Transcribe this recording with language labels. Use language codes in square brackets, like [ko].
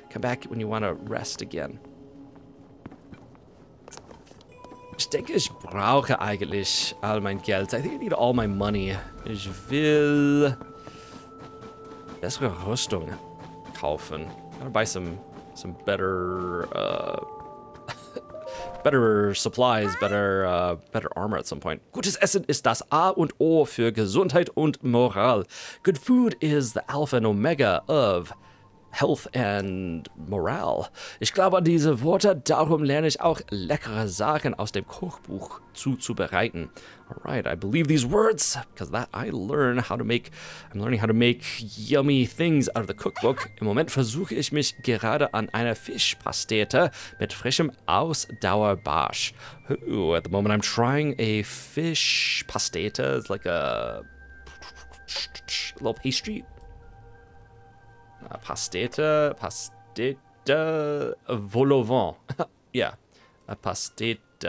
[en] Come back when you want to rest again. [de] Ich denke, ich brauche eigentlich all mein Geld. [en] I think I need all my money. [de] Ich will bessere Rüstung kaufen. [en] Gotta buy some better, better supplies, better armor at some point. [de] Gutes Essen ist das A und O für Gesundheit und Moral. [en] Good food is the Alpha and Omega of health and morale. [de] Ich glaube an diese Worte, darum lerne ich auch leckere Sachen aus dem Kochbuch zuzubereiten. [en] Alright, I believe these words, because that I'm learning how to make yummy things out of the cookbook. [de] Im Moment versuche ich mich gerade an einer Fischpastete mit frischem Ausdauerbarsch. [en] Ooh, at the moment I'm trying a Fischpastete, it's like a little pastry. [de] Pastete volovent. [en] Yeah, a pastete.